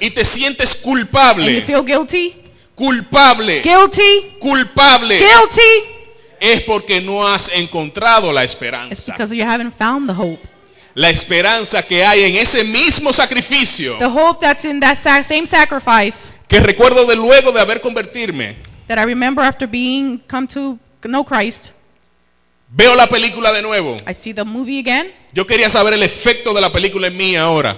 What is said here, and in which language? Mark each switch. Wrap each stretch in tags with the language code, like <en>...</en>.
<es>Y te sientes culpable.</es> <en>And you feel guilty.</en> <es>Culpable.</es> <en>Guilty.</en> <es>Culpable.</es> <en>Guilty.</en> <es>Es porque no has encontrado la esperanza.</es> <en>It's because you haven't found the hope.</en> <es>La esperanza que hay en ese mismo sacrificio.</es> <en>The hope that's in that same sacrifice.</en> <es>Que recuerdo de luego de haber convertirme.</es> <en>That I remember after being come to know Christ.</en> <es>Veo la película de nuevo.</es> <en>I see the movie again.</en> <es>Yo quería saber el efecto de la película en mí ahora.</es>